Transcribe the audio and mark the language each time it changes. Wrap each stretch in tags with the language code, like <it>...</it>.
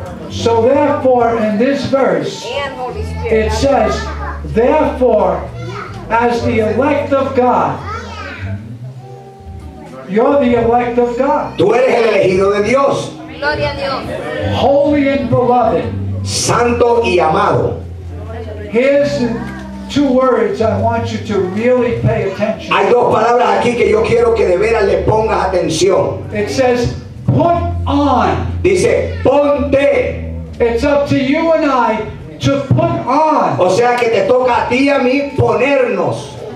<en>So therefore, in this verse, it says, therefore, as the elect of God, you're the elect of God.</en> <es>Tú eres el elegido de Dios. Gloria a Dios.</es> <en>Holy and beloved.</en> <es>Santo y amado.</es> <en>Here's two words I want you to really pay attention.</en> <es>Hay dos palabras aquí que yo quiero que de veras le pongas atención.</es> <en>It says, put on.</en> <es>Dice, ponte.</es> <en>It's up to you and I to put on.</en> <es>O sea que te toca a ti y a mí ponernos.</es>